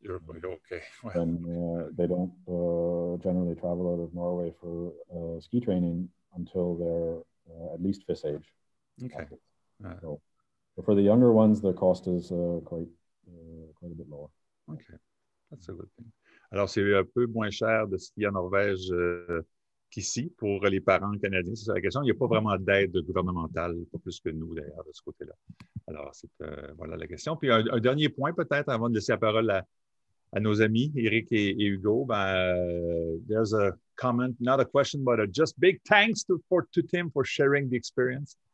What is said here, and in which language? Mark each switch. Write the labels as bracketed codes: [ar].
[en] Okay. Well. And they don't generally travel out of Norway for ski training until they're at least FIS age. Okay. So, but for the younger ones, the cost is quite a bit lower. Okay, that's a good thing. [fr] Alors, c'est un peu moins cher de skier en Norvège qu'ici pour les parents canadiens. C'est ça la question. Il n'y a pas vraiment d'aide gouvernementale, pas plus que nous, d'ailleurs, de ce côté-là. Alors, c'est, voilà la question. Puis, un dernier point, peut-être, avant de laisser la parole à nos amis, Eric et Hugo. [en] Ben, there's a comment, not a question, but a just big thanks to Tim for sharing the experience.